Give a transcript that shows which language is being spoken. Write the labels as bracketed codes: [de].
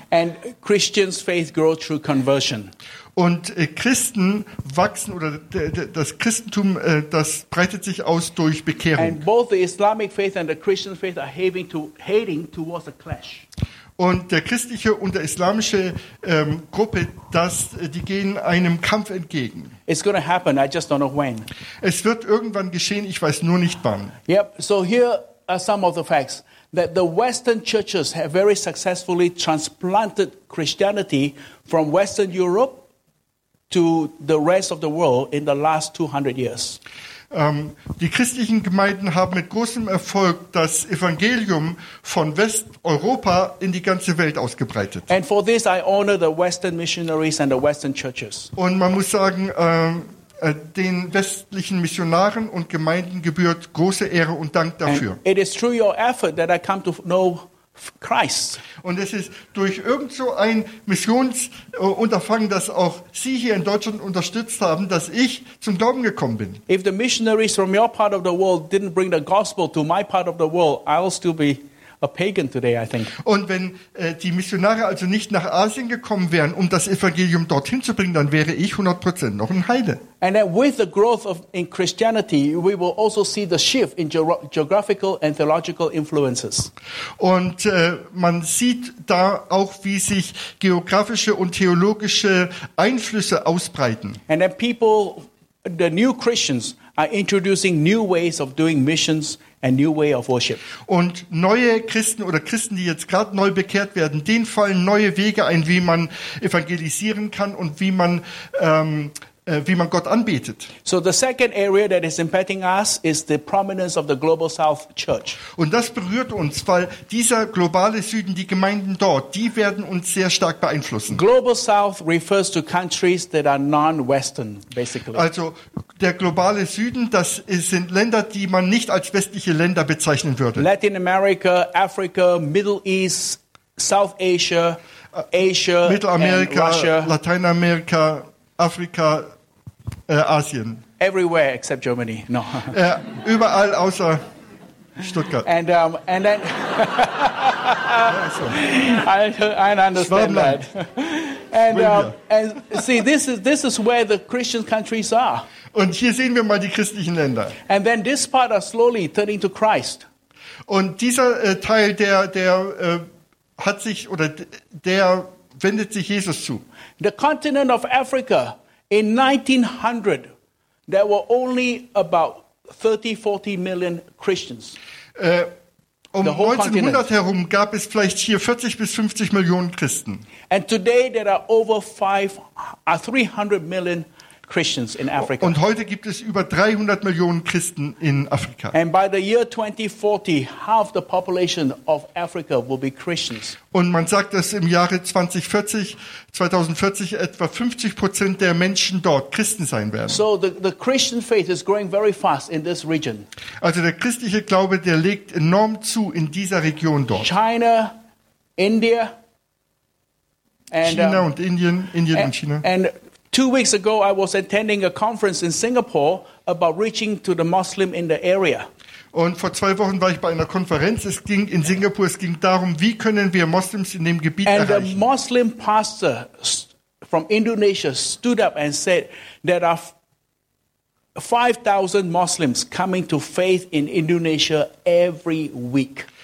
[en] And Christians' faith grow through conversion. [de] Und Christen wachsen oder das Christentum das breitet sich aus durch Bekehrung. [en] And both the Islamic faith and the Christian faith are heading towards a clash. [de] Und der christliche und der islamische Gruppe, die gehen einem Kampf entgegen. [en] It's going to happen, I just don't know when. [de] Es wird irgendwann geschehen, ich weiß nur nicht wann. [en] Yep, so here are some of the facts that the Western churches have very successfully transplanted Christianity from Western Europe to the rest of the world in the last 200 years. [de] Die christlichen Gemeinden haben mit großem Erfolg das Evangelium von Westeuropa in die ganze Welt ausgebreitet. [en] And for this I honor the Western missionaries and the Western churches. [de] Und man muss sagen, den westlichen Missionaren und Gemeinden gebührt große Ehre und Dank dafür. [en] And it is through your effort that I come to know Christ. [de] Und es ist durch irgend so ein Missionsunterfangen, das auch Sie hier in Deutschland unterstützt haben, dass ich zum Glauben gekommen bin. [en] If the missionaries from your part of the world didn't bring the gospel to my part of the world, I'll still be a pagan today, I think. [de] Und wenn die Missionare also nicht nach Asien gekommen wären, um das Evangelium dorthin zu bringen, dann wäre ich 100% noch ein Heide. [en] And then with the growth of in Christianity, we will also see the shift in geographical and theological influences. [de] Und man sieht da auch, wie sich geografische und theologische Einflüsse ausbreiten. [en] And then people, the new Christians, are introducing new ways of doing missions. A new way of worship. [de] Und neue Christen oder Christen, die jetzt gerade neu bekehrt werden, denen fallen neue Wege ein, wie man evangelisieren kann und wie man Gott anbetet. [en] So the second area that is impacting us is the prominence of the Global South Church. [de] Und das berührt uns, weil dieser globale Süden, die Gemeinden dort, die werden uns sehr stark beeinflussen. [en] Global South refers to countries that are non-Western, basically. [de] Also der globale Süden, das sind Länder, die man nicht als westliche Länder bezeichnen würde. [en] Latin America, Africa, Middle East, South Asia, Asia, [de] Mittelamerika, [en] and Russia. [de] Lateinamerika, Afrika, Asien. [en] Everywhere except Germany. No. [de] überall außer Stuttgart. [en] And then I understand that. And see, this is where the Christian countries are. [de] Und hier sehen wir mal die christlichen Länder. [en] And then this part are slowly turning to Christ. [de] Und dieser Teil der hat sich oder der wendet sich Jesus zu. [en] The continent of Africa in 1900 there were only about 30-40 million Christians. The whole 1900 continent. [de] Herum gab es vielleicht hier 40 bis 50 Millionen Christen. [en] And today there are over 300 million Christians in Africa. [de] Und heute gibt es über 300 Millionen Christen in Afrika. [en] And by the year 2040, half the population of Africa will be Christians. [de] Und man sagt, dass im Jahre 2040 etwa 50% der Menschen dort Christen sein werden. [en] So the Christian faith is growing very fast in this region. [de] Also der christliche Glaube, der legt enorm zu in dieser Region dort. [en] China, India, and [de] China und Indien und China. [en] And 2 weeks ago, I was attending a conference in Singapore about reaching to the Muslim in the area. [de] Und vor 2 Wochen war ich bei einer Konferenz. Es ging in Singapore. Es ging darum, wie können wir Muslims in dem Gebiet [en] and [de] erreichen? [en] And a Muslim pastor from Indonesia stood up and said, "There are 5000 Muslims coming to faith in Indonesia every week.